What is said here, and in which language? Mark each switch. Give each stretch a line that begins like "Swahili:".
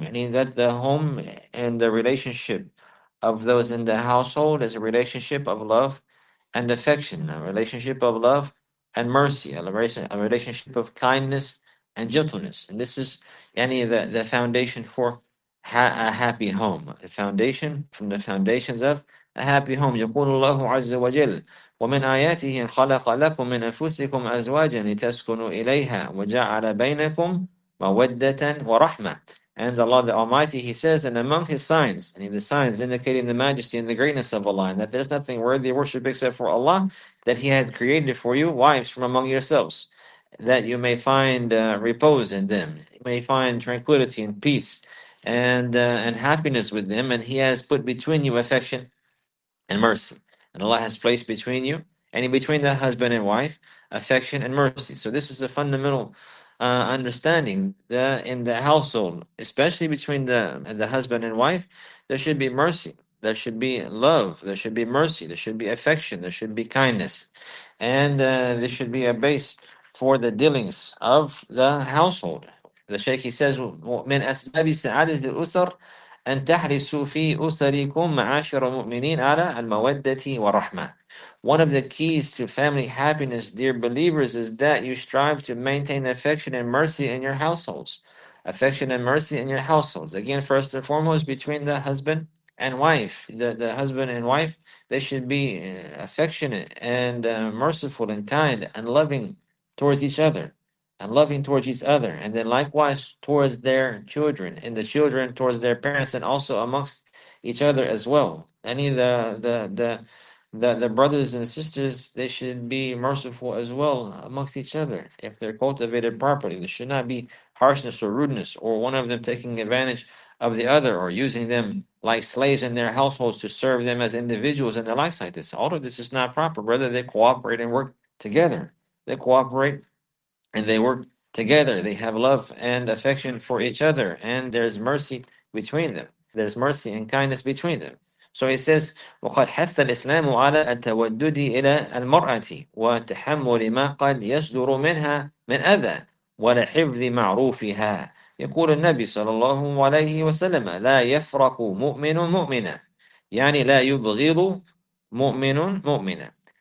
English: Meaning that the home and the relationship of those in the household is a relationship of love and affection, a relationship of love and mercy, a relationship of kindness and gentleness. And this is any of the foundation for a happy home. The foundation from the foundations of a happy home.
Arabic: يقول الله عز وجل ومن آياته خلق لكم من أنفسكم أزواجا لتسكنوا إليها وجعل بينكم مودة ورحمة.
English: And Allah the Almighty, he says, and among his signs, and the signs indicating the majesty and the greatness of Allah, and that there's nothing worthy of worship except for Allah, that he had created for you wives from among yourselves, that you may find repose in them. You may find tranquility and peace and happiness with them. And He has put between you affection and mercy. And Allah has placed between you and between the husband and wife affection and mercy. So this is a fundamental understanding that in the household, especially between the husband and wife, there should be mercy. There should be love. There should be mercy. There should be affection. There should be kindness. And this should be a base for the dealings of the household.
Arabic: The Shaykh, he says, من أسباب سعادة الأسر أن تحرصوا في أسركم معاشر المؤمنين على المودة والرحمة.
English: One of the keys to family happiness, dear believers, is that you strive to maintain affection and mercy in your households. Affection and mercy in your households. Again, first and foremost, between the husband and wife. The husband and wife, they should be affectionate and merciful and kind and loving towards each other. And loving towards each other. And then likewise towards their children. And the children towards their parents. And also amongst each other as well. Any of the brothers and sisters, they should be merciful as well amongst each other. If they're cultivated properly, there should not be harshness or rudeness, or one of them taking advantage of the other, or using them like slaves in their households to serve them as individuals and the likes like this. All of this is not proper. Rather, they cooperate and work together. They cooperate and they work together. They have love and affection for each other, and there's mercy between them. There's mercy and kindness between them.
Arabic: So he says, وَقَدْ حَثَّ الْإِسْلَامُ عَلَى التَّوَدُّدِ إِلَى الْمَرْأَةِ وَتَحَمُّلِ مَا قَدْ يَصْدُرُ مِنْهَا مِنْ أَذَى وَلَحِفْظِ مَعْرُوفِهَا. يقول النبي صلى الله عليه وسلم لا يفرق مؤمن مؤمنا يعني لا يبغض مؤمن مؤمنا.